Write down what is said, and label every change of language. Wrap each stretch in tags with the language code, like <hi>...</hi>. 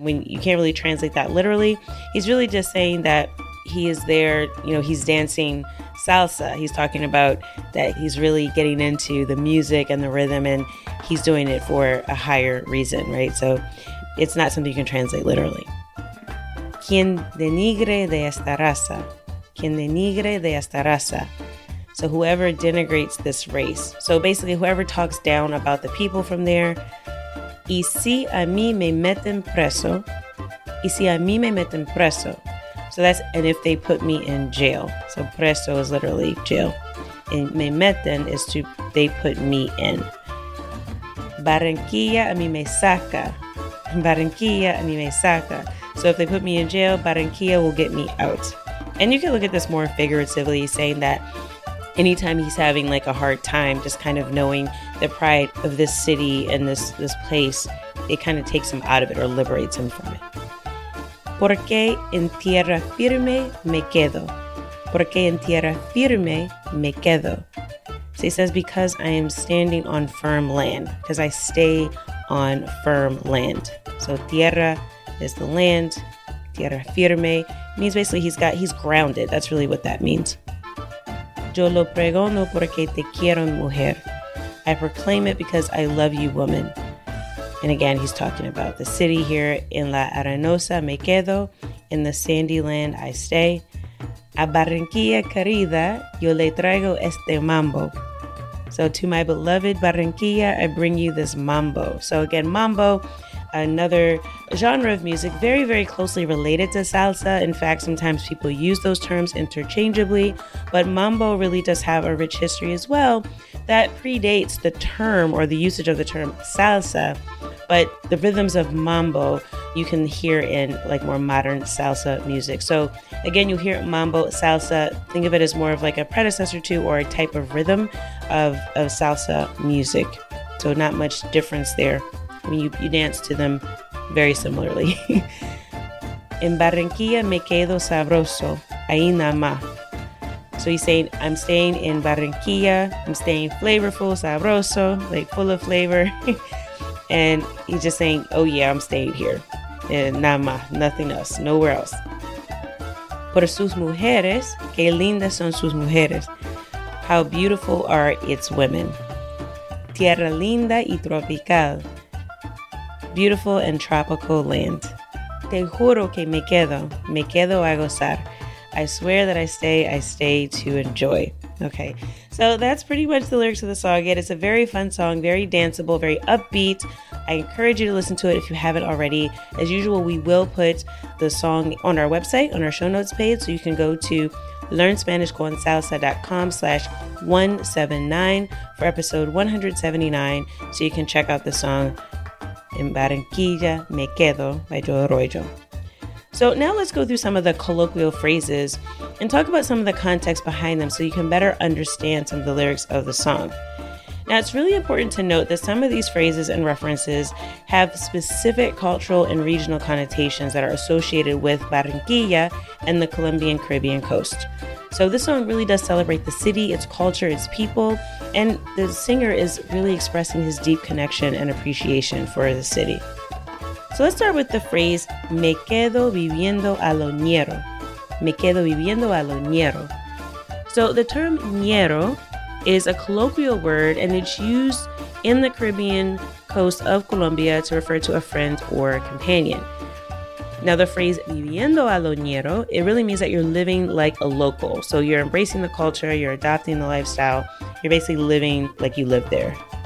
<en>When you can't really translate that literally, he's really just saying that he is there, you know, he's dancing salsa. He's talking about that he's really getting into the music and the rhythm, and he's doing it for a higher reason, right? So it's not something you can translate literally.</en> <es>Quien denigre de esta raza. Quien denigre de esta raza.</es> <en>So whoever denigrates this race. So basically whoever talks down about the people from there.</en> <es>Y si a mí me meten preso. Y si a mí me meten preso.</es> <en>So that's, and if they put me in jail. So preso is literally jail. And</en> <es>me meten</es> <en>is to, they put me in.</en> <es>Barranquilla a mí me saca. Barranquilla a mí me saca.</es> <en>So if they put me in jail, Barranquilla will get me out. And you can look at this more figuratively, saying that anytime he's having like a hard time, just kind of knowing the pride of this city and this place, it kind of takes him out of it or liberates him from it.</en> <es>Porque en tierra firme me quedo. Porque en tierra firme me quedo.</es> <en>So he says, because I am standing on firm land, because I stay on firm land. So tierra is the land. Tierra firme means basically he's grounded. That's really what that means.</en> <es>Yo lo pregono porque te quiero, mujer.</es> <en>I proclaim it because I love you, woman. And again, he's talking about the city here.</en> <es>En la arenosa me quedo.</es> <en>In the sandy land, I stay.</en> <es>A Barranquilla querida, yo le traigo este mambo.</es> <en>So to my beloved Barranquilla, I bring you this mambo. So again, mambo, another genre of music, very, very closely related to salsa. In fact, sometimes people use those terms interchangeably, but mambo really does have a rich history as well that predates the term or the usage of the term salsa. But the rhythms of mambo you can hear in like more modern salsa music. So again, you hear mambo, salsa, think of it as more of like a predecessor to or a type of rhythm of salsa music. So not much difference there. I mean, you dance to them very similarly.</en> <es>En Barranquilla me quedo sabroso, ahí nada más.</es> <en>So he's saying, I'm staying in Barranquilla, I'm staying flavorful, sabroso, like full of flavor. And he's just saying, oh yeah, I'm staying here.</en> <es>Nada más,</es> <en>nothing else, nowhere else.</en> <es>Por sus mujeres, qué lindas son sus mujeres.</es> <en>How beautiful are its women.</en> <es>Tierra linda y tropical.</es> <en>Beautiful and tropical land.</en> <es>Te juro que me quedo a gozar.</es> <en>I swear that I stay to enjoy. Okay, so that's pretty much the lyrics of the song. It is a very fun song, very danceable, very upbeat. I encourage you to listen to it if you haven't already. As usual, we will put the song on our website, on our show notes page, so you can go to learnspanishconsalsa.com/179 for episode 179, so you can check out the song En Barranquilla Me Quedo by Joe Arroyo. So now let's go through some of the colloquial phrases and talk about some of the context behind them so you can better understand some of the lyrics of the song. Now it's really important to note that some of these phrases and references have specific cultural and regional connotations that are associated with Barranquilla and the Colombian Caribbean coast. So this song really does celebrate the city, its culture, its people, and the singer is really expressing his deep connection and appreciation for the city. So let's start with the phrase,</en> <es>me quedo viviendo a lo ñero. Me quedo viviendo a lo ñero.</es> <en>So the term ñero is a colloquial word, and it's used in the Caribbean coast of Colombia to refer to a friend or a companion. Now the phrase</en> <es>viviendo a lo ñero,</es> <en>it really means that you're living like a local. So you're embracing the culture, you're adopting the lifestyle, you're basically living like you live there.</en>